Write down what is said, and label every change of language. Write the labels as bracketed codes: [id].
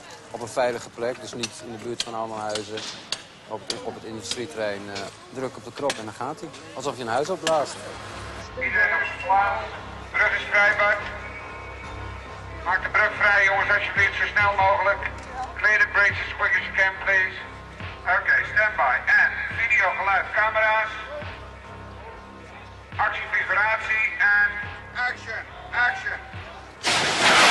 [nl] Op een veilige plek, dus niet in de buurt van allemaal huizen. Op het industrieterrein. Druk op de knop en dan gaat hij. Alsof je een huis opblaast. Iedereen op zijn plaats. Brug is vrij, Bart. Maak de brug vrij, jongens, alsjeblieft, zo snel mogelijk. [en] Clear the bridge as quick as you can, please. [nl] Oké, standby. En video, geluid, camera's. Actie, vibratie en action, action.